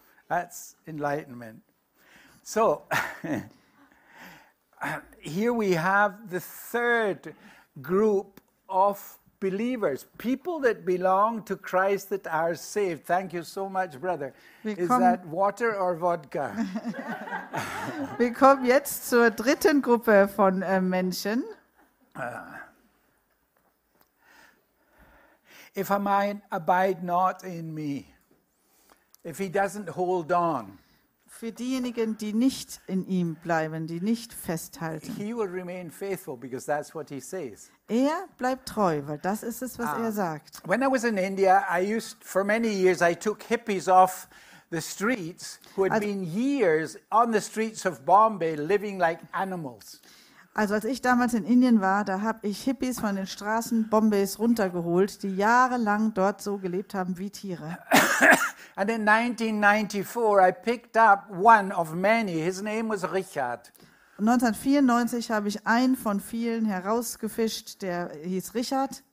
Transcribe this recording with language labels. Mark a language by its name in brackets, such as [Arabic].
[English] That's enlightenment. So, here we have the third group of believers, people that belong to Christ that are saved. Thank you so much, brother. Is that water or vodka? [German] Wir kommen jetzt zur dritten Gruppe von Menschen. [English] If a man abide not in me, if he doesn't hold on, [German] für diejenigen, die nicht in ihm bleiben, die nicht festhalten. [English] He will remain faithful because that's what he says. [German] Er bleibt treu, weil das ist es, was er sagt. [English] When I was in India, I used for many years I took hippies off the streets who had been years on the streets of Bombay living like animals. [German] Also als ich damals in Indien war, da habe ich Hippies von den Straßen Bombays runtergeholt, die jahrelang dort so gelebt haben wie Tiere. [English] And in 1994 I picked up one of many. His name was Richard. [German] 1994 habe ich einen von vielen herausgefischt, der hieß Richard.